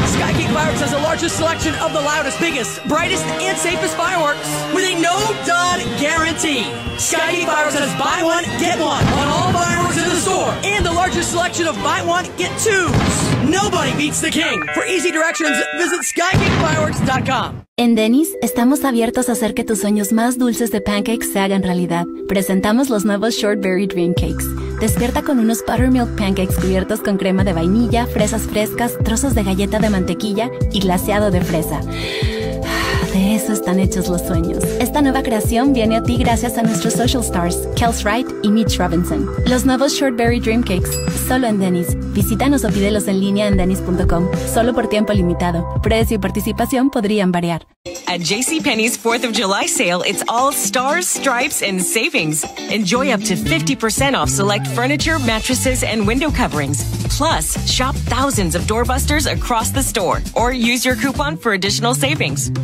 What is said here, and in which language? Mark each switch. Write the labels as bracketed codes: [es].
[en] Sky King Fireworks has the largest selection of the loudest, biggest, brightest, and safest fireworks with a no-dud guarantee. Sky King Fireworks has buy one, get one on all fireworks in the store and the largest selection of buy one, get twos. Nobody beats the king. For easy directions, visit skykingfireworks.com. [es] En Denny's estamos abiertos a hacer que tus sueños más dulces de pancakes se hagan realidad. Presentamos los nuevos Shortberry Dream Cakes. Despierta con unos buttermilk pancakes cubiertos con crema de vainilla, fresas frescas, trozos de galleta de mantequilla y glaseado de fresa. De eso están hechos los sueños. Esta nueva creación viene a ti gracias a nuestros social stars, Kels Wright y Mitch Robinson. Los nuevos Shortberry Dream Cakes, solo en Denny's. Visítanos o pídelos en línea en denny's.com. Solo por tiempo limitado. Precio y participación podrían variar. [en] At JCPenney's 4th of July sale, it's all stars, stripes, and savings. Enjoy up to 50% off select furniture, mattresses, and window coverings. Plus, shop thousands of doorbusters across the store or use your coupon for additional savings.